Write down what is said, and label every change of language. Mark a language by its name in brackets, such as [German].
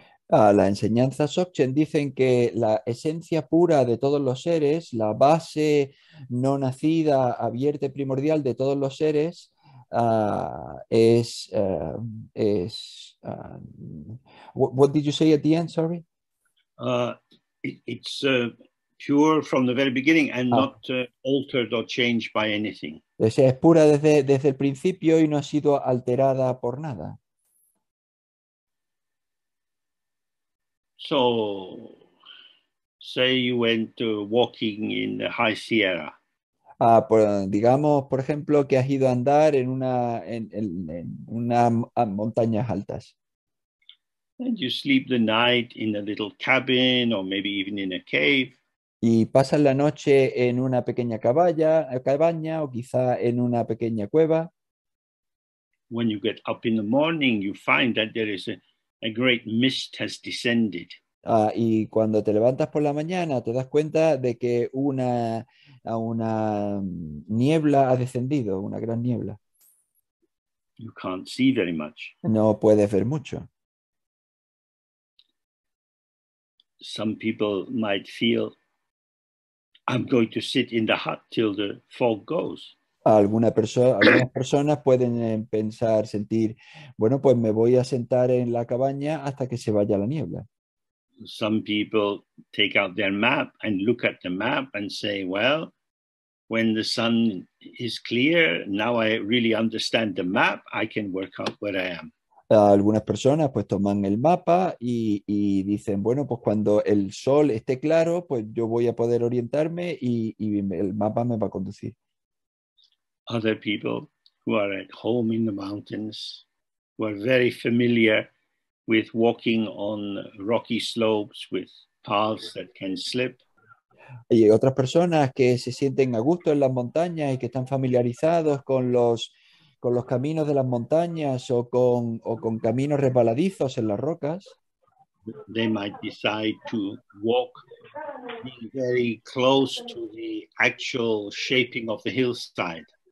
[Spanish] La enseñanza Dzogchen dicen que la esencia pura de todos los seres, la base no nacida, abierta y primordial de todos los seres, [English] what did you say at the end, sorry? It's pure from the very beginning and not altered or changed by anything. [Spanish] Es pura desde el principio y no ha sido alterada por nada. [English] So, say you went walking in the High Sierra. [Spanish] Digamos, por ejemplo, que has ido a andar en unas montañas altas. [English] And you sleep the night in a little cabin or maybe even in a cave. [Spanish] Y pasas la noche en una pequeña cabaña o quizá en una pequeña cueva. [English] When you get up in the morning, you find that there is A great mist has descended. [Spanish] Ah, y cuando te levantas por la mañana, te das cuenta de que una niebla ha descendido, una gran niebla. [English] You can't see very much. [Spanish] No puedes ver mucho. [English] Some people might feel, I'm going to sit in the hut till the fog goes. [Spanish] Algunas personas pueden pensar, sentir, bueno, pues me voy a sentar en la cabaña hasta que se vaya la niebla. [English] Some people take out their map and look at the map and say, well, when the sun is clear, now I really understand the map, I can work out where I am. [Spanish] Algunas personas pues toman el mapa y dicen, bueno, pues cuando el sol esté claro, pues yo voy a poder orientarme y el mapa me va a conducir. [English] Other people who are at home in the mountains, who are very familiar with walking on rocky slopes with paths that can slip. [Spanish] Y otras personas que se sienten a gusto en las montañas y que están familiarizados con los caminos de las montañas o con caminos resbaladizos en las rocas. [English] They might decide to walk very close to the actual shaping of the hillside.